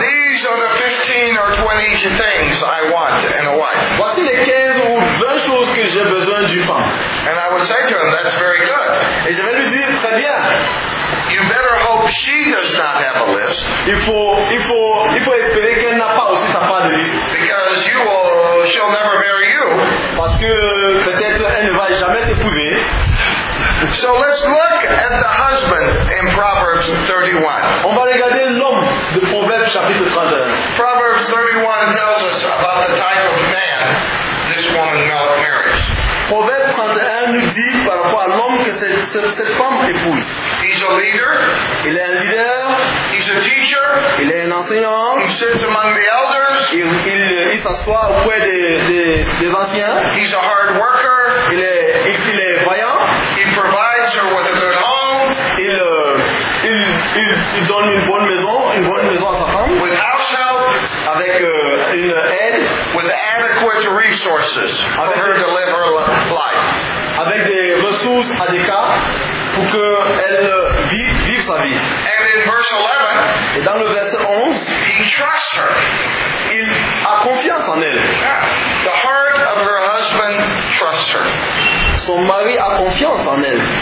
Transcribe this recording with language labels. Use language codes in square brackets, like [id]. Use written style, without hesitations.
[en] These are the 15 or 20 things I want in a wife. [fr] Voici les 15 ou 20 choses que j'ai besoin d'une femme. [en] And I would say to him, that's very good. [fr] Et je vais lui dire, très bien. [en] You better hope she does not have a list. [fr] Il faut espérer qu'elle n'a pas aussi sa part de liste. [en] Because she'll never marry you. [fr] Parce que peut-être elle ne va jamais t'épouser. [en] So let's look at the husband in Proverbs 31. [fr] On va regarder l'homme de Proverbe chapitre 31. [en] Proverbs 31 tells us about the type of man this woman marries. [fr] Proverbe 31 nous dit par rapport à l'homme que cette femme épouse. [en] He's a leader. [fr] Il est un leader. [en] He's a teacher. [fr] Il est un enseignant. [en] He sits among the elders. [fr] Il s'assoit auprès des anciens. [en] He's a hard worker. [fr] Il est vaillant. [en] He provides her with a good home. [fr] Il donne une bonne maison à sa femme. [en] With house help. [fr] Avec une aide. [en] With adequate resources for her to live her life. [fr] Avec des ressources adéquates pour qu'elle vive sa vie. [en] And in verse 11, [fr] et dans le verset 11, [en] he trusts her. [fr] Il a confiance en elle. [en] Yeah. The heart of her husband trusts her. [fr] Son mari a confiance en elle.